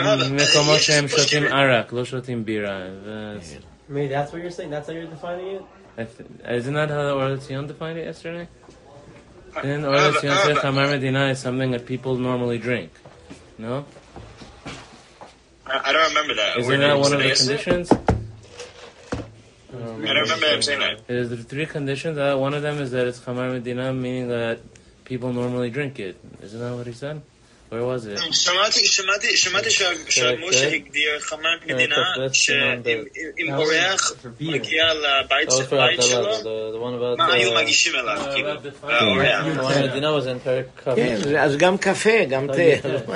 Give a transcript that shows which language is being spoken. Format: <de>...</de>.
<he>מקומות שהם שותים ערק, לא שותים בירה.</he> <en>That's what you're saying? That's how you're defining it? Isn't that how the Orach defined it yesterday? Then Orach says Chamar Medina is something that people normally drink. No? I don't remember that. Is it not one of the conditions? I don't remember him saying that. There's three conditions. One of them is that it's Chamar Medina, meaning that people normally drink it. Isn't that what he said? Where was it?</en> <he>שמעתי שמושה הגדיר חמר מדינה שאם אורח מגיע לבית שלו, מה היו מגישים אליו? כן, אז גם קפה, גם תה.</he>